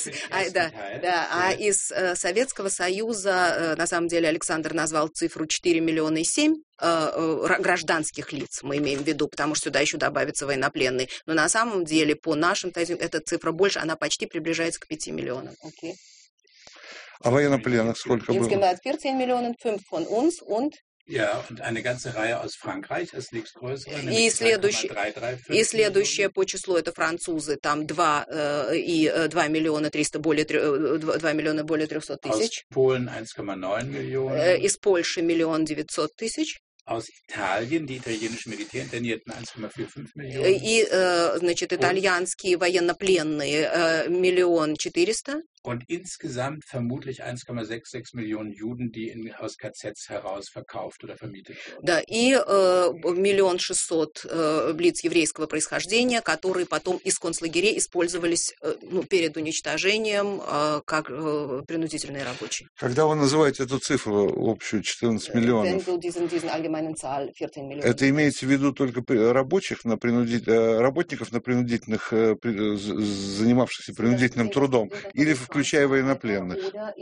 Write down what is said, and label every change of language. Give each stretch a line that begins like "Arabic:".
Russian: А из Советского Союза, на самом деле, Александр назвал цифру 4,7 миллиона гражданских лиц, мы имеем в виду, потому что сюда еще добавятся военнопленные. Но на самом деле, по нашим тезисам, эта цифра больше, она почти приближается к 5 миллионам. А военнопленных сколько было? 14 миллионов, 5
German: von uns und...
Russian: И следующее по числу это французы, там 2 миллиона 300 более 300 тысяч. Из Польши 1,9 миллиона.
German: Aus Italien, die italienischen Militärinternierten, 1,45 Millionen.
Russian: И, значит, итальянские военнопленные, 1,4 миллиона.
German: Und insgesamt vermutlich 1,66 Millionen Juden, die in, aus KZs heraus verkauft oder vermietet wurden.
Russian: Да, и 1,6 миллиона лиц еврейского происхождения, которые потом из концлагерей использовались перед уничтожением как принудительные рабочие. Когда вы называете эту цифру общую, 14 миллионов, это имеется в виду только рабочих на работников на принудительных, занимавшихся принудительным трудом, или включая военнопленных?